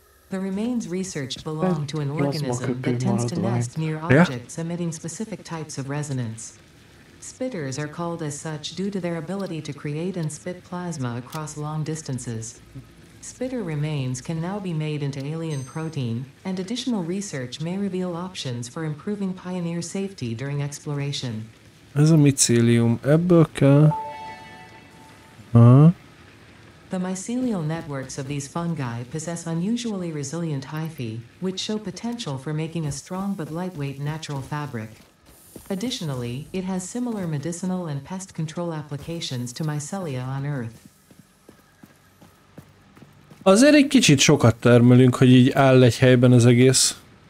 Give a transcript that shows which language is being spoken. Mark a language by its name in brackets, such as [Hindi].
[English] The remains researched belong to an organism that tends to nest near objects emitting specific types of resonance. Spitters are called as such due to their ability to create and spit plasma across long distances. Spitter remains can now be made into alien protein, and additional research may reveal options for improving pioneer safety during exploration. [Hungarian] Ez a mycelium, ebből kell... [English] The mycelial networks of these fungi possess unusually resilient hyphae, which show potential for making a strong but lightweight natural fabric. Additionally, it has similar medicinal and pest control applications to mycelia on Earth. [Hungarian] Azért egy kicsit sokat termelünk, hogy így áll egy helyben az egész.